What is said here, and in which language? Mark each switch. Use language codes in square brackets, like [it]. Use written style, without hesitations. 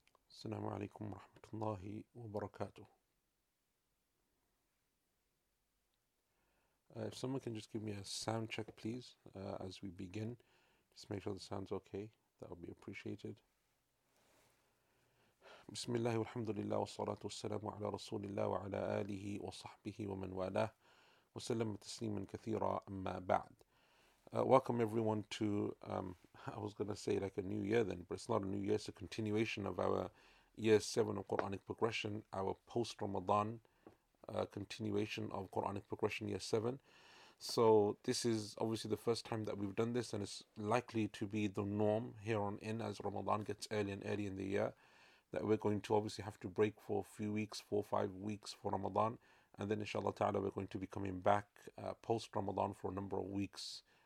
[ar] السلام عليكم ورحمة الله وبركاته. [en] If someone can just give me a sound check, please, as we begin, just make sure the sound's okay, that would be appreciated. [ar] بسم الله والحمد لله والصلاة والسلام على رسول الله وعلى آله وصحبه ومن والاه وسلم تسليما كثيرا أما بعد. [en] Welcome everyone to, I was going to say like a new year then, but it's not a new year, it's a continuation of our year 7 of Quranic progression, our post-Ramadan continuation of Quranic progression year 7. So this is obviously the first time that we've done this, and it's likely to be the norm here on in as Ramadan gets early and early in the year, that we're going to obviously have to break for a few weeks, 4 or 5 weeks for Ramadan, and then inshallah ta'ala we're going to be coming back post-Ramadan for a number of weeks.